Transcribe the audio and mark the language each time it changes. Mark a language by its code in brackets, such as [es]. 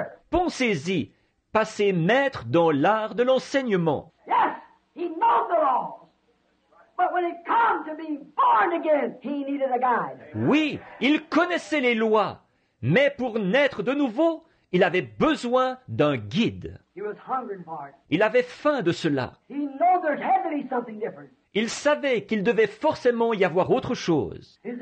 [fr] Pensez-y, passer maître dans l'art de l'enseignement. [en] Yes, he knows the laws. But when it comes to being born again, he needed a guide. [fr] Oui, il connaissait les lois, mais pour naître de nouveau, il avait besoin d'un guide. [en] He was hungry for it. [fr] Il avait faim de cela. [en] He knows there had to be something different. [fr] Il savait qu'il devait forcément y avoir autre chose.